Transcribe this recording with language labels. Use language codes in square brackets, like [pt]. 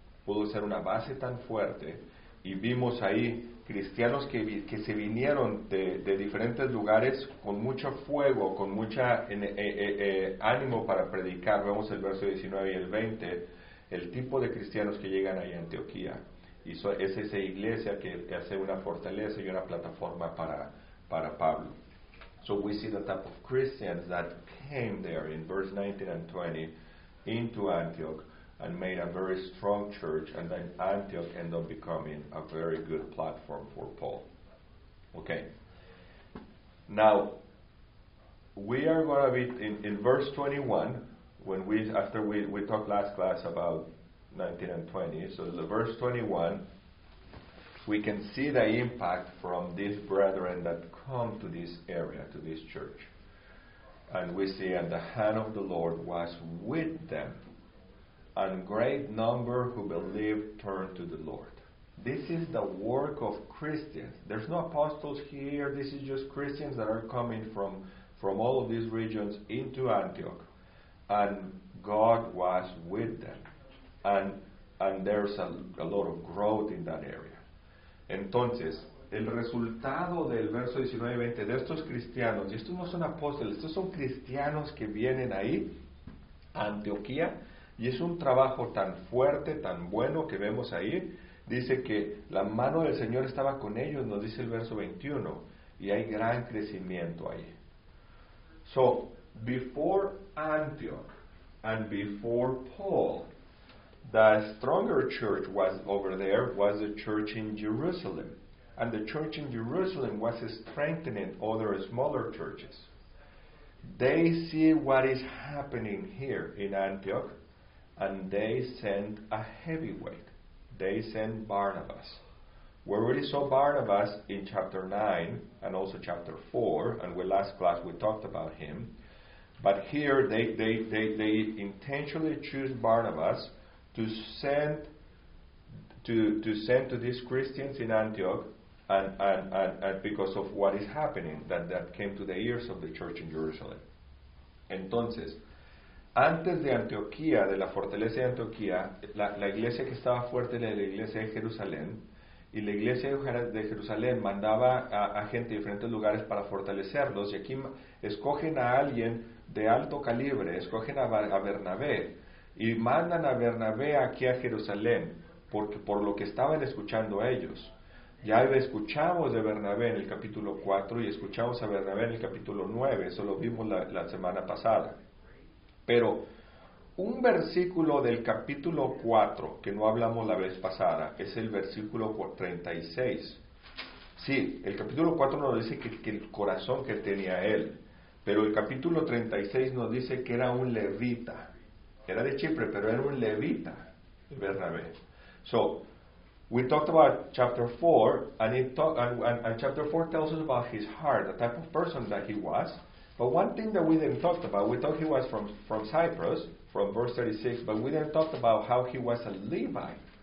[es] Pudo ser una base tan fuerte, y vimos ahí cristianos que se vinieron de diferentes lugares con mucho fuego, con mucho ánimo para predicar. Vemos el verso 19 y el 20, el tipo de cristianos que llegan ahí a Antioquía. Y es esa iglesia que hace una fortaleza y una plataforma para Pablo. [en] So we see the type of Christians that came there in verse 19 and 20 into Antioch and made a very strong church, and then Antioch ended up becoming a very good platform for Paul. Okay. Now, we are going to be in verse 21, after we talked last class about 19 and 20, so the verse 21, we can see the impact from these brethren that come to this area, to this church. And we see, and the hand of the Lord was with them, and great number who believed turned to the Lord. This is the work of Christians. There's no apostles here. This is just Christians that are coming from all of these regions into Antioch. And God was with them. And there's a lot of growth in that area. [es] Entonces, el resultado del verso 19 y 20 de estos cristianos, y estos no son apóstoles, estos son cristianos que vienen ahí a Antioquía, y es un trabajo tan fuerte, tan bueno que vemos ahí. Dice que la mano del Señor estaba con ellos, nos dice el verso 21, y hay gran crecimiento ahí. [en] So, before Antioch and before Paul, the stronger church was over there, was the church in Jerusalem. And the church in Jerusalem was strengthening other smaller churches. They see what is happening here in Antioch, and they send a heavyweight. They send Barnabas. We already saw Barnabas in chapter 9 and also chapter 4, and we last class we talked about him. But here they intentionally choose Barnabas to send to these Christians in Antioch, and because of what is happening that came to the ears of the church in Jerusalem. [es] Entonces, antes de Antioquía, de la fortaleza de Antioquía, la iglesia que estaba fuerte era la iglesia de Jerusalén, Y la iglesia de Jerusalén mandaba a gente de diferentes lugares para fortalecerlos. Y aquí escogen a alguien de alto calibre, escogen a Bernabé. Y mandan a Bernabé aquí a Jerusalén, porque por lo que estaban escuchando a ellos. Ya escuchamos de Bernabé en el capítulo 4 y escuchamos a Bernabé en el capítulo 9, eso lo vimos la semana pasada. Pero un versículo del capítulo 4, que no hablamos la vez pasada, es el versículo 36. Sí, el capítulo 4 nos dice que el corazón que tenía él, pero el capítulo 36 nos dice que era un levita. Era de Chipre, pero era un levita, Bernabé. [en] So, we talked about chapter 4, and chapter 4 tells us about his heart, the type of person that he was. But one thing that we didn't talk about, we thought he was from Cyprus, from verse 36, but we didn't talk about how he was a Levite.